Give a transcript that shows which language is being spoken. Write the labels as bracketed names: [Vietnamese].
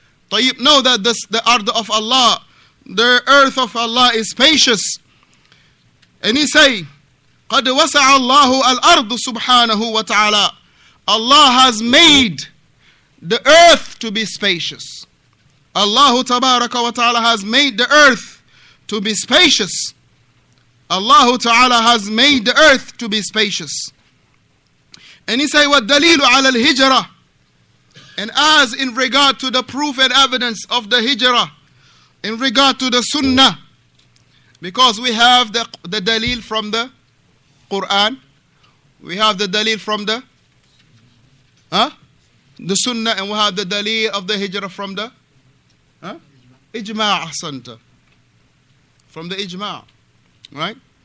[Arabic] طيب, [English] know that the earth of Allah, the earth of Allah is spacious. And he say, [Arabic] قَدْ وَسَعَ اللَّهُ الْأَرْضُ سُبْحَانَهُ وَتَعَالَى. [English] Allah has made the earth to be spacious. Allah tabaraka wa ta'ala has made the earth to be spacious. Allah ta'ala has made the earth to be spacious. And he say, [Arabic] وَالدَّلِيلُ عَلَى الْهِجْرَةِ. [English] And as in regard to the proof and evidence of the hijrah, in regard to the sunnah, because we have the dalil from the Quran, we have the dalil from the sunnah, and we have the dalil of the hijrah from the ijma' center, from the ijma', right?